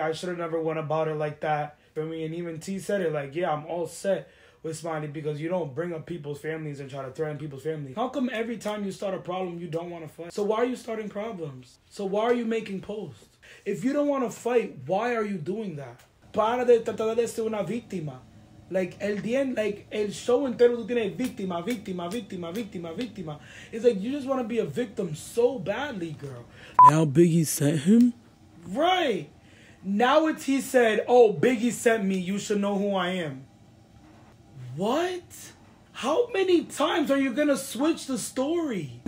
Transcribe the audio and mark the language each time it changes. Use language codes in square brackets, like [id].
[en] I should have never went about it like that. For me, and even T said it, like, yeah, I'm all set with Smiley because you don't bring up people's families and try to threaten people's families. How come every time you start a problem, you don't want to fight? So why are you starting problems? So why are you making posts? If you don't want to fight, why are you doing that? [es] Para de tratar de ser una víctima. Like, el show entero tú tienes víctima, víctima, víctima, víctima, víctima. [en] It's like, you just want to be a victim so badly, girl. Now Biggie sent him? Right. Now it's he said, oh, Biggie sent me. You should know who I am. What? How many times are you going to switch the story?